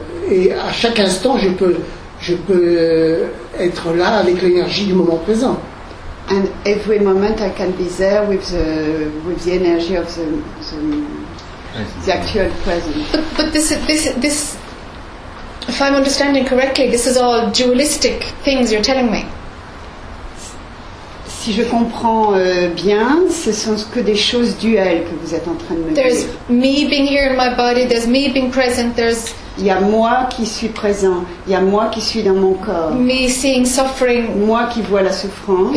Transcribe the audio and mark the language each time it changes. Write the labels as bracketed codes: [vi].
[fr] Et à chaque instant, je peux être là avec l'énergie du moment présent. [en] And every moment, I can be there with the energy of the actual present. But this. If I'm understanding correctly, this is all dualistic things you're telling me. [fr] Si je comprends bien, ce sont que des choses duelles que vous êtes en train de me dire. [en] There's me being here in my body, there's me being present, [fr] Il y a moi qui suis présent, il y a moi qui suis dans mon corps. [en] Me seeing suffering. [fr] Moi qui vois la souffrance.